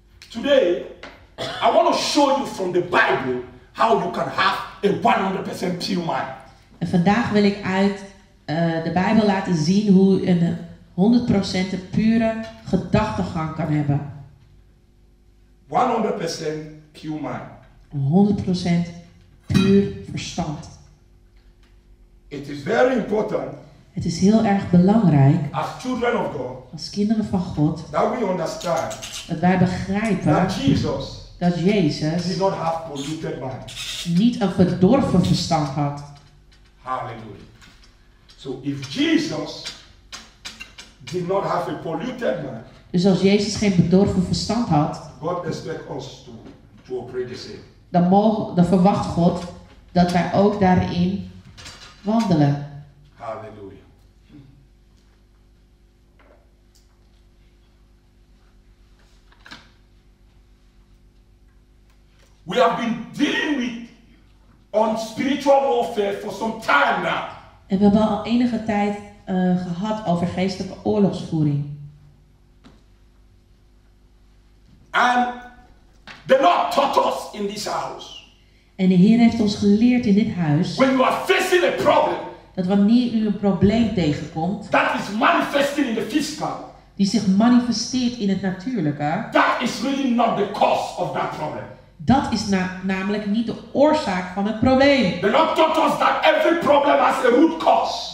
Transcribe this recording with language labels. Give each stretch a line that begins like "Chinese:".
English: Today, I want to show you from the Bible how you can have a 100% pure mind.
Dutch: En vandaag wil ik uit de Bijbel laten zien hoe een 100% pure gedachtegang kan hebben.
English: 100% pure mind.
Dutch: 100% puur verstand.
English: It is very important.
Dutch: Het is heel erg belangrijk.
English: As children of God,
Dutch: als kinderen van God.
English: That we understand.
Dutch: Dat wij begrijpen.
English: That Jesus,
Dutch: dat Jezus.
English: Did not have polluted mind.
Dutch: Niet een verdorven verstand had.
English: Hallelujah. So if Jesus did not have a polluted mind.
Dutch: Dus als Jezus geen bedorven verstand had.
English: God expect us to operate the same.
Dutch: Dan verwacht God dat wij ook daarin wandelen. Halleluja.
English: We have been dealing with on spiritual warfare for some time now.
Dutch: En we hebben al enige tijd gehad over geestelijke oorlogsvoering.
English: And the Lord taught us in this house.
Dutch: En de Heer heeft ons geleerd in dit huis.
English: When you are facing a problem,
Dutch: dat wanneer u een probleem tegenkomt.
English: That is manifesting in the physical.
Dutch: Die zich manifesteert in het natuurlijke.
English: That is really not the cause of that problem.
Dutch: Dat is namelijk niet de oorzaak van het probleem.
English: The Lord taught us that every problem has a root cause.